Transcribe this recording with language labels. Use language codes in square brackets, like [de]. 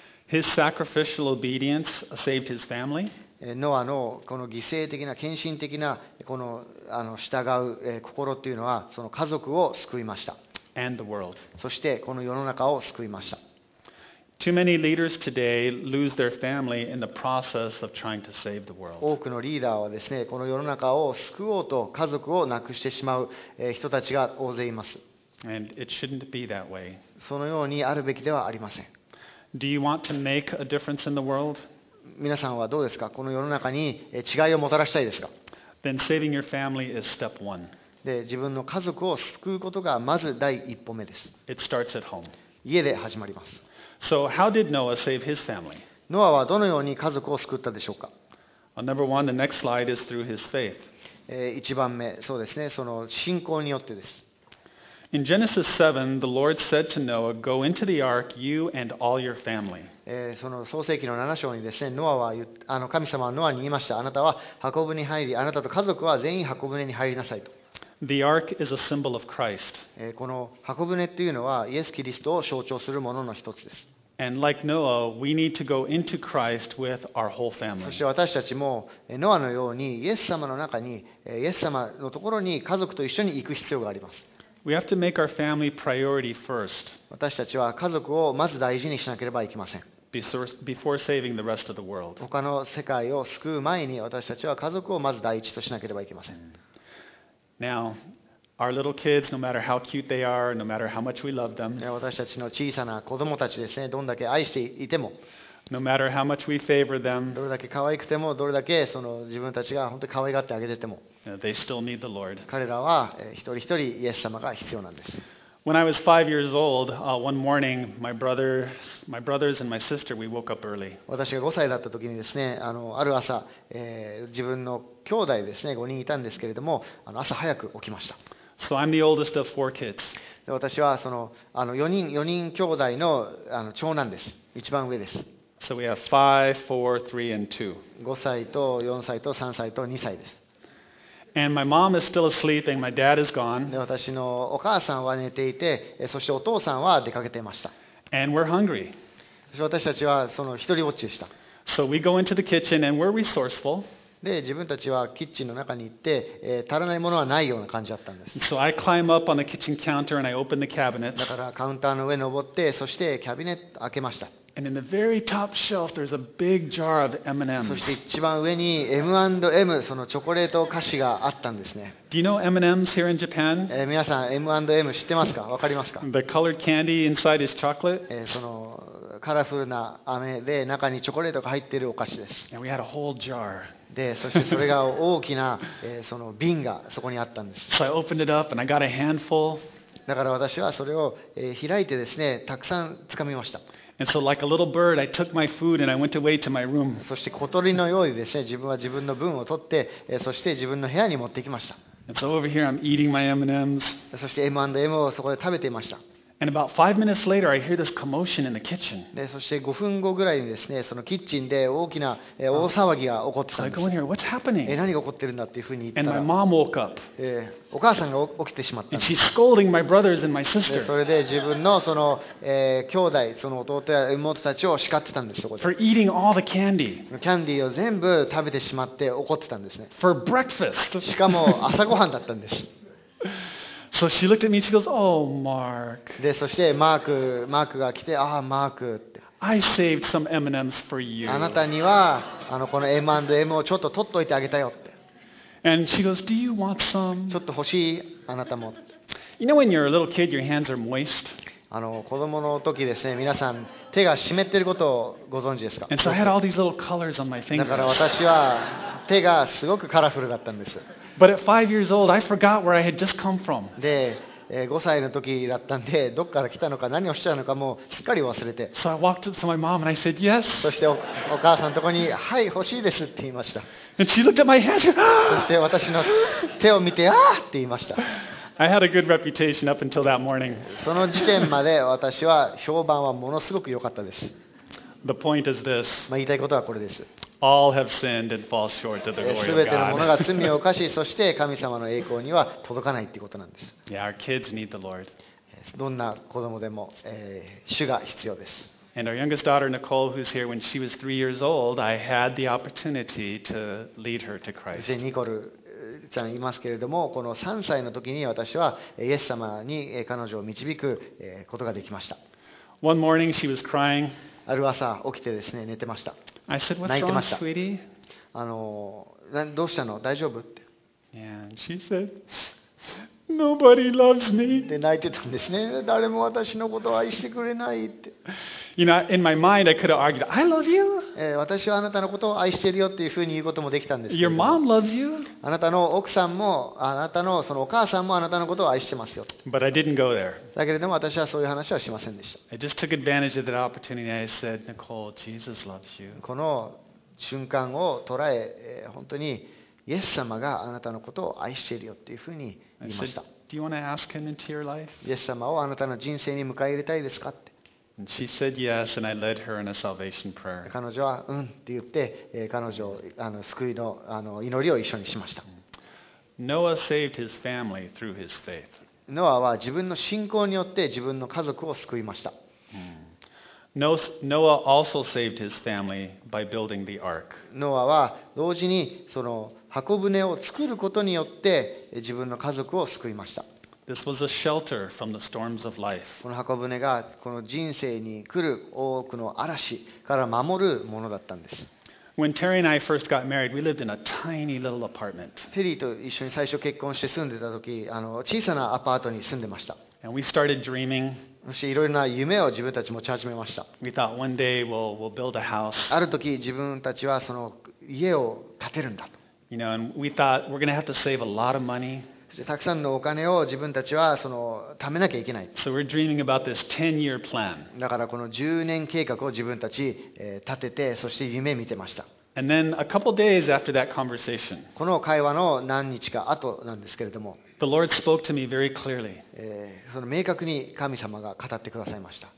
[en] His sacrificial obedience saved his family. [ja] ノアのこの犠牲的な献身的なこの従う心というのはその家族を救いました。 [en] And the world. [ja] そしてこの世の中を救いました。 [en] Too many leaders today lose their family in the process of trying to save the world. [ja] 多くのリーダーはですね、この世の中を救おうと家族を亡くしてしまう人たちが大勢います。 [en] And it shouldn't be that way. [ja] そのようにあるべきではありません。 [en] Do you want to make a difference in the world? [ja] 皆さんはどうですか？この世の中に違いをもたらしたいですか？ [en] Then saving your family is step one. [ja] で、自分の家族を救うことがまず第一歩目です。 [en] It starts at home. [ja] 家で始まります。 [en] So how did Noah save his family? [ja] ノアはどのように家族を救ったでしょうか？ [en] Well, number one, the next slide is through his faith. [ja] 一番目、そうですね、その信仰によってです。 [en] In Genesis 7, the Lord said to Noah, "Go into the ark, you and all your family." [ja] その創世記の7章にですね、ノアは神様はノアに言いました。あなたは箱舟に入り、あなたと家族は全員箱舟に入りなさいと。 [en] The ark is a symbol of Christ. [ja] この箱舟というのはイエス・キリストを象徴するものの一つです。 [en] And like Noah, we need to go into Christ with our whole family. [ja] そして私たちもノアのようにイエス様の中に、イエス様のところに家族と一緒に行く必要があります。 [en] We have to make our family priority first. [ja] 私たちは家族をまず大事にしなければいけません。 [en] Before saving the rest of the world. [ja] 他の世界を救う前に私たちは家族をまず第一としなければいけません。 [en] Now, our little kids, no matter how cute they are, no matter how much we love them. [ja] 私たちの小さな子供たちですね、どんだけ愛していても。 [en] No matter how much we favor them. [ja] どれだけ可愛くても、どれだけその自分たちが本当に可愛がってあげてても。 [en] They still need the Lord. [ja] 彼らは一人一人イエス様が必要なんです。 [en] When I was 5 years old, one morning, my brothers and my sister, we woke up early. [ja] 私が5歳だった時にですね、ある朝、自分の兄弟ですね、5人いたんですけれども、朝早く起きました。 [en] So I'm the oldest of 4 kids. [ja] 私はその、4人兄弟の、長男です。一番上です。 [en] So we have 5, 4, 3, and 2. [ja] 5歳と4歳と3歳と2歳です。 [en] And my mom is still asleep and my dad is gone. [ja] 私のお母さんは寝ていて、そしてお父さんは出かけていました。 [en] And we're hungry. [ja] 私たちはその一人ぼっちでした。 [en] So we go into the kitchen and we're resourceful. [ja] で、自分たちはキッチンの中に行って、足らないものはないような感じだったんです。 [en] So I climb up on the kitchen counter and I open the cabinet. [ja] だからカウンターの上に登って、そしてキャビネット開けました。 [en] And in the very top shelf, there's a big jar of M&M's. [ja] そして一番上に M&M、そのチョコレート菓子があったんですね。 [en] Do you know M&M's here in Japan? [ja] 皆さん M&M 知ってますか？わかりますか？ [en] The colored candy inside is chocolate. [ja] そのカラフルな飴で中にチョコレートが入っているお菓子です。 [en] And we had a whole jar. [ja] で、そしてそれが大きな、その瓶がそこにあったんです。 [en] So I opened it up and I got a handful. [ja] だから私はそれを開いてですね、たくさん掴みました。 [en] And so, like a little bird, I took my food and I went away to my room. [ja] そして小鳥のようにですね、自分は自分の分を取って、そして自分の部屋に持ってきました。 [en] And so over here, I'm eating my M&Ms. [ja] そして M&M をそこで食べていました。 [en] And about 5 minutes later, I hear this commotion in the kitchen. [ja] で、そして5分後ぐらいにですね、そのキッチンで大きな大騒ぎが起こってたんです。 [en] So I go in here, what's happening? [ja] 何が起こってるんだっていうふうに言ったら、 [en] And my mom woke up. [ja] お母さんが起きてしまったんです。 [en] And she's scolding my brothers and my sister. [ja] で、それで自分のその、兄弟、その弟や妹たちを叱ってたんです。そこで。 [en] For eating all the candy. [ja] キャンディーを全部食べてしまって怒ってたんですね。 [en] For breakfast. [ja] しかも朝ごはんだったんです。 [en] So she looked at me. She goes, "Oh, Mark." [ja] で、そしてマークが来て、ああ、マークって。 [en] I saved some M&Ms for you. [ja] あなたにはこの M&M をちょっと取っといてあげたよって。 [en] And she goes, "Do you want some?" [ja] ちょっと欲しいあなたも。 [en] You know when you're a little kid, your hands are moist. [ja] 子供の時ですね、皆さん手が湿っていることをご存知ですか。 [en] And so I had all these little colors on my fingers. [ja] だから私は手がすごくカラフルだったんです。 [en] But at 5 years old, I forgot where I had just come from. [ja] で、5歳の時だったんで、どっから来たのか、何をしたのかもうすっかり忘れて。 [en] So I walked up to my mom and I said, "Yes." [ja] そしてお母さんのところに、はい、欲しいですって言いました。 [en] And she looked at my hand. [ja] そして私の手を見て、ああって言いました。 [en] I had a good reputation up until that morning. [ja] その時点まで私は評判はものすごく良かったです。 [en] The point is this. [ja] 言いたいことはこれです。 [en] All have sinned and fall short of the glory of God. [ja] 全てのものが罪を犯し、そして神様の栄光には届かないっていうことなんです。 [en] Yeah, our kids need the Lord. [ja] どんな子供でも、主が必要です。 [en] And our youngest daughter Nicole, who's here, when she was 3 years old, I had the opportunity to lead her to Christ. [ja] ニコルちゃんいますけれども、この3歳の時に私はイエス様に彼女を導くことができました。 [en] One morning she was crying. [ja] ある朝起きてですね、寝てました。 [en] I said, "What's wrong, sweetie?" [ja] どうしたの？大丈夫って。 [en] And she said, "Nobody loves me." [ja] で泣いてたんですね。誰も私のことを愛してくれないって。 [en] You know, in my mind, I could have argued, "I love you." [ja] 私はあなたのことを愛してるよっていうふうに言うこともできたんですけど。 [en] Your mom loves you. [ja] あなたの奥さんも、あなたのそのお母さんもあなたのことを愛してますよ。 [en] But I didn't go there. [ja] だけれども私はそういう話はしませんでした。 [en] I just took advantage of that opportunity. I said, "Nicole, Jesus loves you." [ja] この瞬間を捉え、本当にイエス様があなたのことを愛してるよっていうふうに言いました。 [en] I said, "Do you want to ask him into your life?" [ja] イエス様をあなたの人生に迎え入れたいですかって。 [en] She said yes, and I led her in a salvation prayer. [ja] 彼女はうんって言って、彼女救いの祈りを一緒にしました。 [en] Noah saved his family through his faith. [ja] ノアは自分の信仰によって自分の家族を救いました。 [en] Noah also saved his family by building the ark. [ja] ノアは同時にその箱舟を作ることによって自分の家族を救いました。 [en] This was a shelter from the storms of life. [ja] この箱舟がこの人生に来る多くの嵐から守るものだったんです。 [en] When Terry and I first got married, we lived in a tiny little apartment. [ja] テリーと一緒に最初結婚して住んでた時、小さなアパートに住んでました。 [en] And we started dreaming. [ja] そしていろいろな夢を自分たち持ち始めました。 [en] We thought one day we'll build a house. [ja] ある時自分たちはその家を建てるんだと。 [en] You know, and we thought we're going to have to save a lot of money. [ja] たくさんのお金を自分たちはその貯めなきゃいけない。 [en] So we're dreaming about this 10-year plan. [ja] だからこの10年計画を自分たち立てて、そして夢見てました。 [en] And then a couple days after that conversation, [ja] この会話の何日か後なんですけれども、 [en] The Lord spoke to me very clearly. [ja] その明確に神様が語ってくださいました。